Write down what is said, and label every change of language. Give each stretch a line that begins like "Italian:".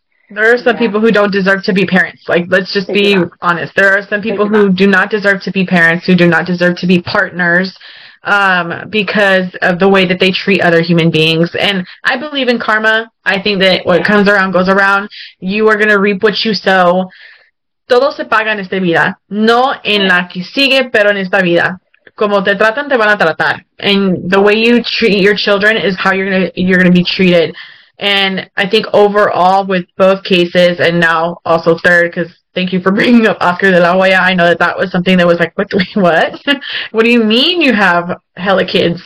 English: There are some people who don't deserve to be parents, like, let's just be honest. There are some people who do not deserve to be parents, who do not deserve to be partners, because of the way that they treat other human beings. And I believe in karma. I think that what comes around goes around. You are going to reap what you sow.
Spanish: Todo se paga en esta vida, no en la que sigue, pero en esta vida. Como te tratan, te van a tratar.
English: And the way you treat your children is how you're gonna be treated. And I think overall, with both cases, and now also third, because thank you for bringing up Oscar de la Hoya. I know that was something that was like, what? What do you mean you have hella kids?